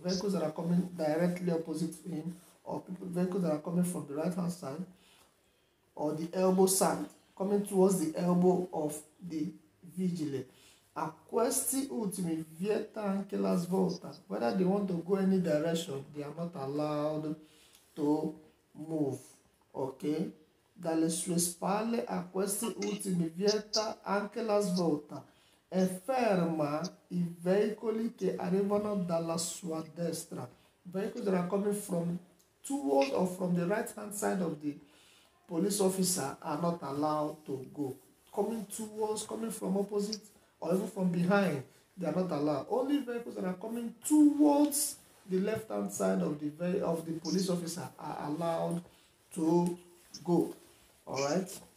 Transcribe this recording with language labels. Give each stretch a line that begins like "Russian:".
English: Vehicles that are coming directly opposite him, or people, vehicles that are coming from the right-hand side, or the elbow side, coming towards the elbow of the vigile.
Italian: A questi ultimi vieta anche la svolta.
English: Whether they want to go any direction, they are not allowed to move. Okay?
Italian: Dalle sue spalle a questi ultimi vieta anche la svolta. E ferma i veicoli che arrivano dalla sua destra.
English: Vehicles that are coming from towards or from the right-hand side of the police officer are not allowed to go. Coming towards, coming from opposite, or even from behind, they are not allowed. Only vehicles that are coming towards the left-hand side of the police officer are allowed to go. All right?